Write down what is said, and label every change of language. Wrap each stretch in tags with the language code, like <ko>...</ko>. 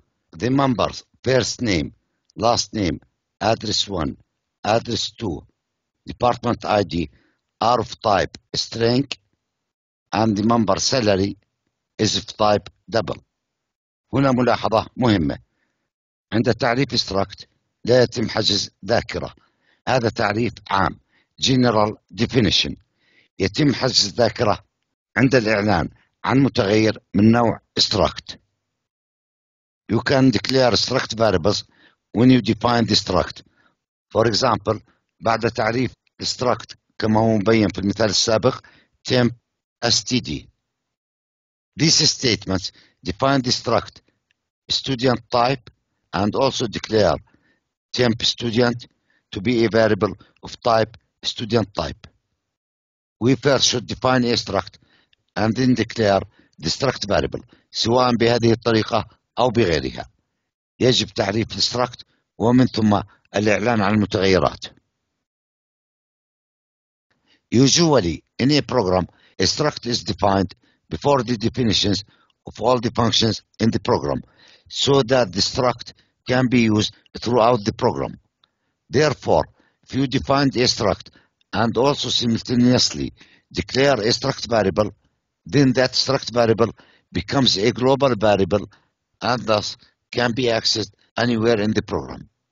<en>The members first name, last name, address 1, address 2, department ID are of type string and the member salary is of type double.</en> <ar>هنا ملاحظة مهمة، عند تعريف struct لا يتم حجز ذاكرة، هذا تعريف عام general definition. يتم حجز ذاكرة عند الإعلان عن متغير من نوع struct.</ar> <en>You can declare struct variables when you define the struct. For example,</en> <ar>بعد تعريف struct كما هو مبين في المثال السابق temp std.</ar> <en>These statements define the struct student type and also declare temp student to be a variable of type student type. We first should define a struct and then declare the struct variable</en> <ar>سواء بهذه الطريقة أو بغيرها. يجب تعريف الستركت ومن ثم الإعلان عن المتغيرات.</ar> <en>Usually, in a program, a struct is defined before the definitions of all the functions in the program, so that the struct can be used throughout the program. Therefore, if you define a struct and also simultaneously declare a struct variable, then that struct variable becomes a global variable and thus can be accessed anywhere in the program.</en>